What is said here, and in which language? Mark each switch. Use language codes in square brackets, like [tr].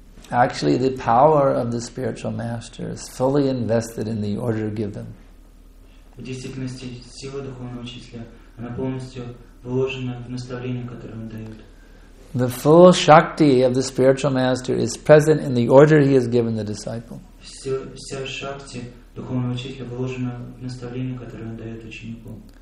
[en] Actually, the power of the spiritual master is fully invested in the order given. [ru] В действительности сила духовного учителя, она полностью вложена в наставление, которое он дает. [en] The full shakti of the spiritual master is present in the order he has given the disciple. [ru] Вся шакти духовного учителя вложена в наставление, которое он дает ученику.